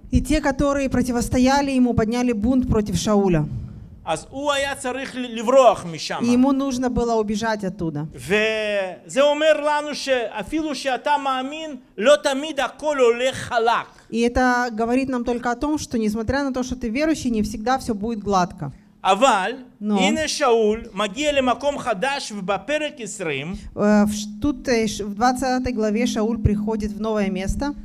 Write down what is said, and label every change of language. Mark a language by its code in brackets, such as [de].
[ru] И те, которые противостояли ему, подняли бунт против Шауля. [he] אז הוא היה צריך לברוח משם. [ru] ему нужно было убежать оттуда. [he] וזה אומר לנו שאפילו שאתה מאמין, לא תמיד הכל הולך חלק. [ru] И это говорит нам только о том, что несмотря на то, что ты верующий, не всегда все будет гладко. [he] אבל, הנה שאול מגיע למקום חדש ובפרק 20. [ru] Тут в 20 главе Шауль приходит в новое место.